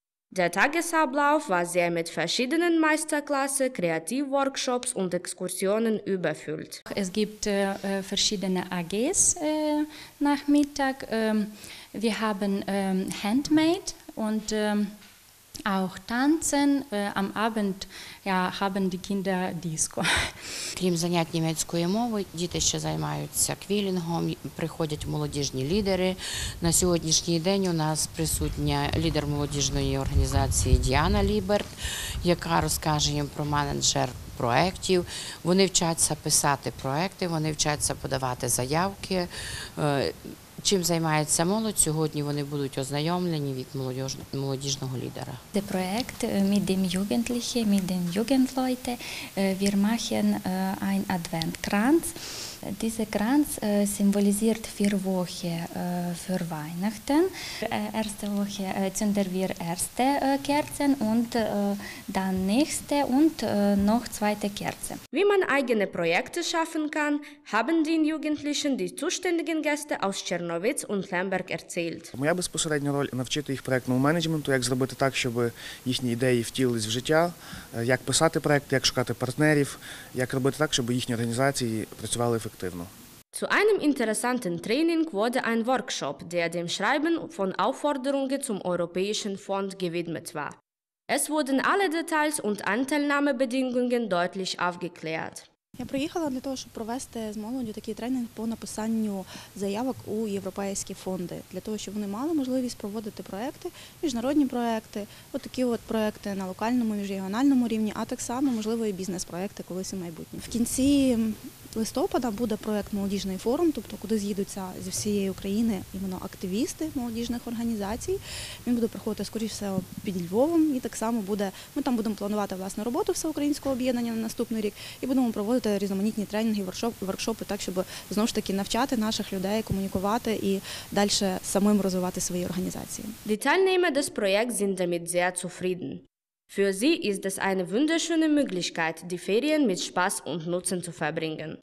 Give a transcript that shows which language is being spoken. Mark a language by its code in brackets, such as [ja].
[de] Der Tagesablauf war sehr mit verschiedenen Meisterklassen, Kreativworkshops und Exkursionen überfüllt. Es gibt verschiedene AGs nachmittag. Wir haben Handmade und auch tanzen. Am Abend ja, haben die Kinder Disco. [uk] Крім занять німецької мови, діти ще займаються квілінгом, приходять молодіжні лідери. На сьогоднішній день у нас присутня лідер молодіжної організації Діана Ліберт, яка розкаже їм про менеджер проєктів. Вони вчаться писати проєкти, вони вчаться подавати заявки. Чим займається молодь? Сьогодні вони будуть ознайомлені від молодіжного лідера. Це проєкт [de] «Mit dem Jugendlichen, mit den Jugendleuten. Wir machen ein Adventkranz». Dieser Kranz symbolisiert vier Wochen für Weihnachten. Erste Woche zünden wir erste Kerzen und dann nächste und noch zweite Kerze. Wie man eigene Projekte schaffen kann, haben den Jugendlichen die zuständigen Gäste aus Czernowitz und Lemberg erzählt. [uk] Моя безпосередня роль – навчити їх проєктному менеджменту, як зробити так, щоб їхні ідеї втілились в життя, як писати проєкти, як шукати партнерів, як робити так, щоб їхні організації працювали ефективно. [de] Zu einem interessanten Training wurde ein Workshop, der dem Schreiben von Aufforderungen zum Europäischen Fond gewidmet war. Es wurden alle Details und Anteilnahmebedingungen deutlich aufgeklärt. [uk] Я приїхала для того, щоб провести з молоддю такий тренінг по написанню заявок у європейські фонди, для того, щоб вони мали можливість проводити проекти, міжнародні проекти, отакі от проекти на локальному, міжрегіональному рівні, а так само, можливо, і бізнес-проекти колись у майбутньому. В кінці листопада буде проект «Молодіжний форум», тобто куди з'їдуться зі всієї України іменно активісти молодіжних організацій. Він буде проходити, скоріше все, під Львовом. І так само буде, ми там будемо планувати власну роботу всеукраїнського об'єднання на наступний рік і будемо проводити різноманітні тренінги, воркшопи, так, щоб знову ж таки навчати наших людей, комунікувати і далі самим розвивати свої організації. [de] Die Teilnehmer des Projekts sind damit sehr zufrieden. Für sie ist es eine wunderschöne Möglichkeit, die Ferien mit Spaß und Nutzen zu verbringen.